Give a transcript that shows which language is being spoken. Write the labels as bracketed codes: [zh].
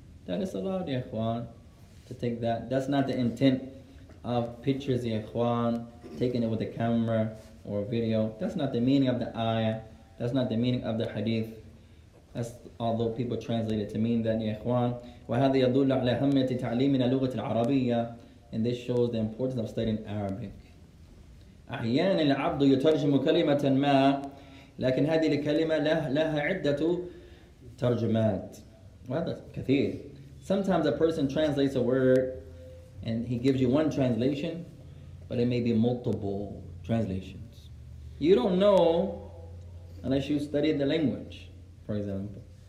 [en] That is allowed, ya ikhwan, to take that. That's not the intent of pictures, ya ikhwan, taking it with a camera or a video. That's not the meaning of the ayah. That's not the meaning of the hadith. That's although people translate it to mean that, ya ikhwan. [ar] وَهَذَا يَدُلُّ عَلَى أَهَمِّيَّةِ تَعْلِيمِ اللُّغَةِ الْعَرَبِيَّةِ. [en] And this shows the importance of studying Arabic. [ar] أحيانا العبد يترجم كلمة ما لكن هذه الكلمة لها عدة ترجمات. وهذا كثير. [en] Sometimes a person translates a word and he gives you one translation, but it may be multiple translations. You don't know unless you study the language, for example.